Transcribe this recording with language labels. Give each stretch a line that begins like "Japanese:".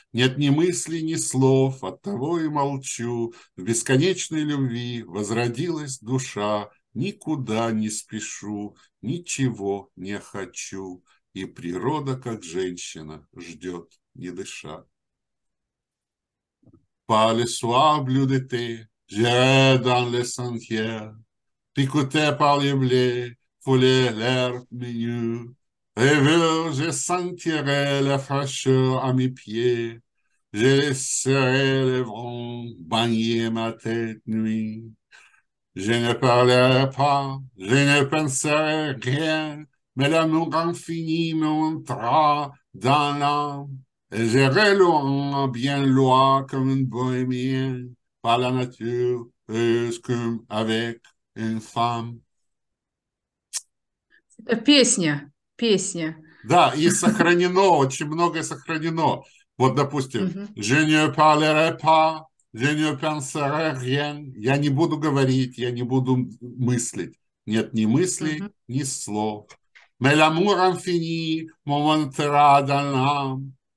Russian: Нет ни мыслей, ни слов, оттого и молчу. В бесконечной любви возродилась душа. Никуда не спешу, ничего не хочу. И природа, как женщина, ждет, не дыша.
French: Par les soirs bleus d'été, j'irai dans les sentiers, picoté par les blés, fouler l'herbe menue. Rêveur, je sentirai la fraîcheur à mes pieds, je laisserai les vents baigner ma tête nuit. Je ne parlerai pas, je ne penserai rien, mais l'amour infini me montera dans l'âme. Et j'irai loin, bien loin, comme une bohémienne, par la nature, comme avec une femme.
Russian: Песня, песня. Да, и сохранено, очень многое сохранено. Вот, допустим,
French: «Je ne parlerai pas, je ne penserai rien».
Russian: Я не буду говорить, я не буду мыслить. Нет ни мыслей, ни слов.
French: «Mais l'amour infini montera dans l'âme».